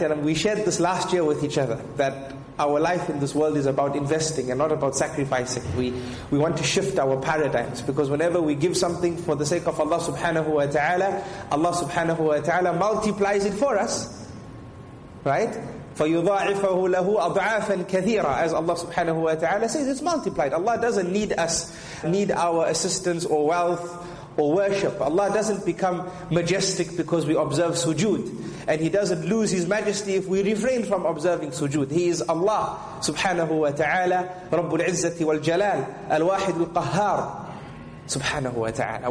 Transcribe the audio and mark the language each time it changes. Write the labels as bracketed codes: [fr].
[en] And we shared this last year with each other, that our life in this world is about investing and not about sacrificing. We want to shift our paradigms, because whenever we give something for the sake of Allah subhanahu wa ta'ala, Allah subhanahu wa ta'ala multiplies it for us, right? [ar] فَيُضَاعِفَهُ لَهُ أَضْعَافًا كَثِيرًا. [en] As Allah subhanahu wa ta'ala says, it's multiplied. Allah doesn't need us, need our assistance or wealth or worship. Allah doesn't become majestic because we observe sujood. And He doesn't lose His majesty if we refrain from observing sujood. He is Allah subhanahu wa ta'ala, [ar] رَبُّ الْعِزَّةِ وَالْجَلَالِ الْوَاحِدُ الْقَهَّارُ [en] subhanahu wa ta'ala.